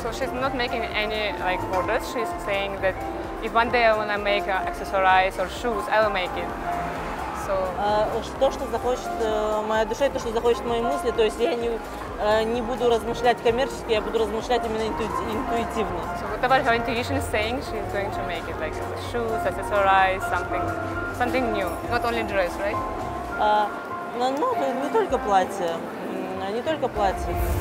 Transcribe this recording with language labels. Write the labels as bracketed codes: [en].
[en] So she's not making any, like, orders. She's saying that... If one day I want to make accessories or shoes, I will make it. So. [ru] То, что захочет моя душа, то, что захочет мои мысли, то есть я не буду размышлять коммерчески, я буду размышлять именно интуитивно. [en] So what about her intuition saying she's going to make it, like shoes, accessories, something new, not only dress, right? [ru] Не только платье, не только платье.